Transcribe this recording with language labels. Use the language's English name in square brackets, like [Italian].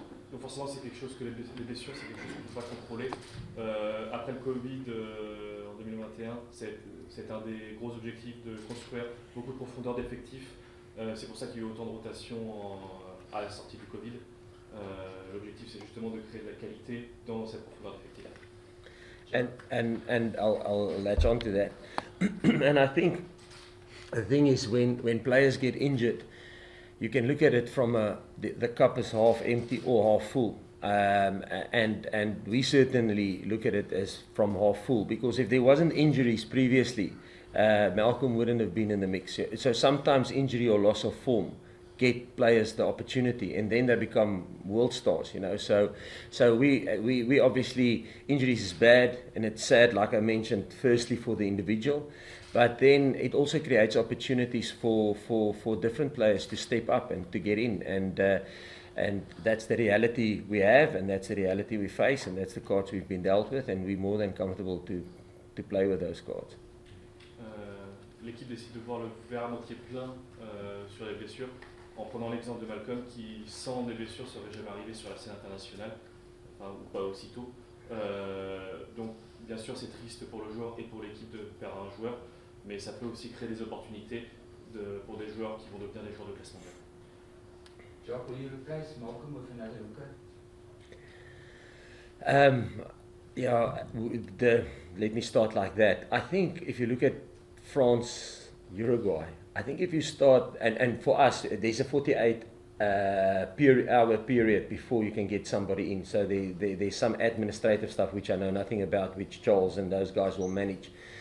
[French] Donc forcément, c'est quelque chose que les blessures, c'est quelque chose qu'on ne peut pas contrôler. Après le Covid en 2021, C'est un des gros objectifs de construire beaucoup de profondeur d'effectifs. C'est pour ça qu'il y a eu autant de rotations à la sortie du Covid. L'objectif, c'est justement de créer de la qualité dans cette profondeur d'effectifs-là. [English] And I'll latch on to that. And I think the thing is, when players get injured, you can look at it from the cup is half empty or half full. And we certainly look at it as from half full, because if there wasn't injuries previously, Malcolm wouldn't have been in the mix. So sometimes injury or loss of form get players the opportunity, and then they become world stars, you know. So we obviously, injuries is bad and it's sad, like I mentioned, firstly for the individual, but then it also creates opportunities for different players to step up and to get in, and that's the reality we have, and that's the reality we face, and that's the cards we've been dealt with, and we're more than comfortable to play with those cards. [French] L'équipe décide de voir le verre à moitié plein sur les blessures, en prenant l'exemple de Malcolm, qui sans des blessures serait jamais arrivé sur la scène internationale, enfin, ou pas aussitôt. Donc bien sûr c'est triste pour le joueur et pour l'équipe de perdre un joueur, mais ça peut aussi créer des opportunités pour des joueurs qui vont devenir des joueurs de classe mondiale. [English] Yeah, let me start like that. I think if you look at France, Uruguay, I think if you start, and for us, there's a 48 hour period before you can get somebody in. So there's some administrative stuff which I know nothing about, which Charles and those guys will manage.